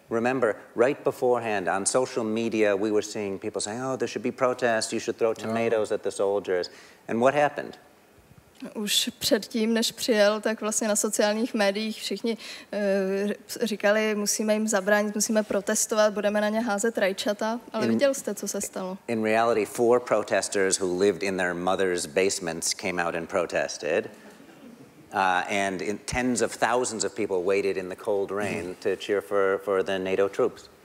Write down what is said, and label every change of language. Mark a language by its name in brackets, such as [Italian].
[English] Remember, right beforehand, on social media, we were seeing people saying, oh, there should be protests, you should throw tomatoes at the soldiers. And what happened? [Czech] Už předtím, než přijel, tak vlastně na sociálních médiích všichni říkali, musíme jim zabránit, musíme protestovat, budeme na ně házet rajčata, ale viděl jste, co se stalo. [English] In reality, four protesters who lived in their mother's basements came out and protested, and tens of thousands of people waited in the cold rain to cheer for the NATO troops.